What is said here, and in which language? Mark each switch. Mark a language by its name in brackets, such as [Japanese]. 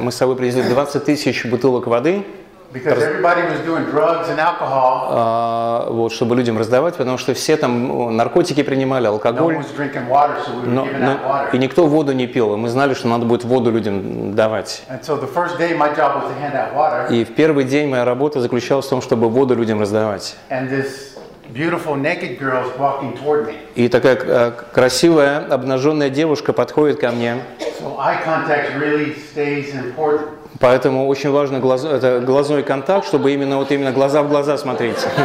[Russian] Мы с собой привезли 20,000 бутылок воды. [English] Because everybody was doing drugs and alcohol. [Russian] Вот, чтобы людям раздавать, потому что все там наркотики принимали, алкоголь. [English] No one was drinking water, so we were giving out water. [Russian] И никто воду не пил, и мы знали, что надо будет воду людям давать. [English] And so the first day my job was to hand out water. [Russian] И в первый день моя работа заключалась в том, чтобы воду людям раздавать. [English] And this beautiful naked girl is walking toward me. [Russian] И такая красивая обнаженная девушка подходит ко мне. [English] So eye contact really stays important. [Russian] Поэтому очень важно глазной контакт, чтобы именно глаза в глаза смотреть.